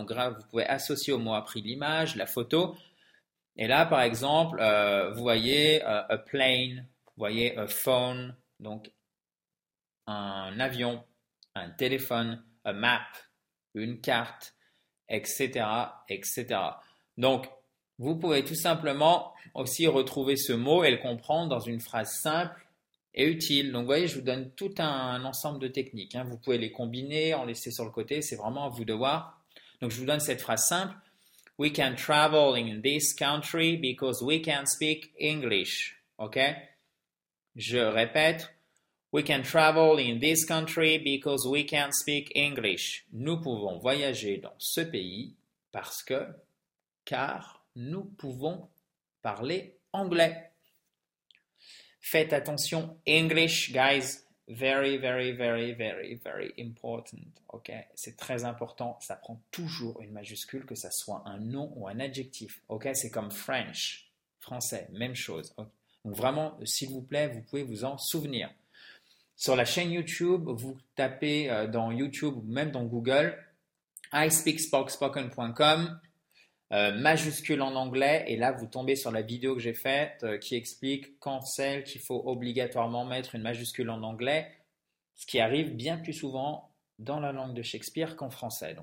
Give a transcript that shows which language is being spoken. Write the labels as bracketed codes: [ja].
[fr] Donc, là, vous pouvez associer au mot appris l'image, la photo. Et là, par exemple, vous voyez [en] a plane, [fr] vous voyez [en] a phone, [fr] donc un avion, un téléphone, [en] a map, [fr] une carte, etc., etc. Donc, vous pouvez tout simplement aussi retrouver ce mot et le comprendre dans une phrase simple et utile. Donc, vous voyez, je vous donne tout un ensemble de techniques, hein. Vous pouvez les combiner, en laisser sur le côté, c'est vraiment à vous de voir. Donc, je vous donne cette phrase simple. [en] We can travel in this country because we can speak English. OK? [fr] Je répète. [en] We can travel in this country because we can speak English. [fr] Nous pouvons voyager dans ce pays parce que, car nous pouvons parler anglais. Faites attention, [en] English, guys. very, very, very, very important. [fr] Ok, c'est très important. Ça prend toujours une majuscule, que ça soit un nom ou un adjectif. Ok, c'est comme French, français, même chose. Okay. Donc vraiment, s'il vous plaît, vous pouvez vous en souvenir. Sur la chaîne YouTube, vous tapez dans YouTube ou même dans Google, ispeakspoken.com, majuscule en anglais, et là vous tombez sur la vidéo que j'ai faite qui explique quand c'est qu'il faut obligatoirement mettre une majuscule en anglais, ce qui arrive bien plus souvent dans la langue de Shakespeare qu'en français.